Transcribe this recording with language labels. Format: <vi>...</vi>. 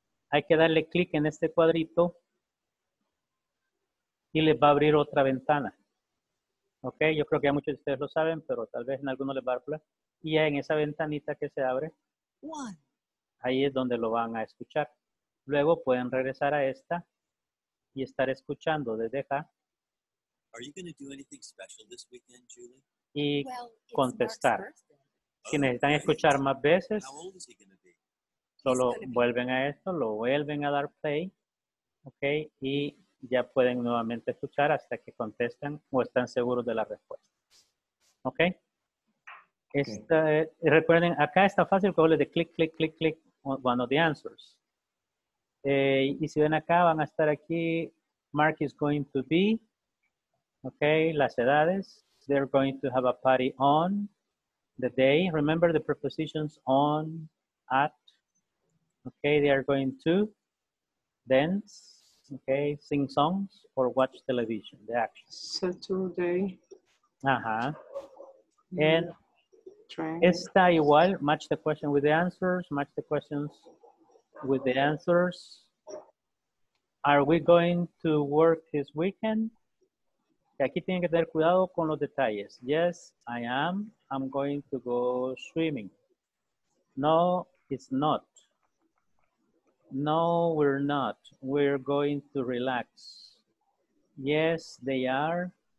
<es>Hay que darle clic en este cuadrito y les va a abrir otra ventana. Okay, yo creo que ya muchos de ustedes lo saben, pero tal vez en alguno les va a dar problema. Y en esa ventanita que se abre, ahí es donde lo van a escuchar. Luego pueden regresar a esta y estar escuchando desde acá.</es> <en>Are you going to do anything special this weekend, Julie?</en> <es>Y well, contestar. Si necesitan escuchar más veces, solo vuelven a esto, lo vuelven a dar play, okay, y ya pueden nuevamente escuchar hasta que contestan o están seguros de la respuesta. Okay. Esta, recuerden, acá está fácil, que hable de click, click, click, click,</es> <en>one of the answers.</en> <es>Y si ven acá, van a estar aquí.</es> <en>Mark is going to be.</en> <es>Okay, las edades.</es> <en>They're going to have a party on the day. Remember the prepositions on, at. Okay, they are going to dance. Okay, sing songs or watch television. The action. Saturday. Uh-huh. And</en> <es>esta igual,</es> <en>match the question with the answers, match the questions with the answers. Are we going to work this weekend?</en> <es>Aquí tienen que tener cuidado con los detalles.</es> <en>Yes, I am. I'm going to go swimming. No, it's not. No, we're not. We're going to relax. Yes, they are.</en>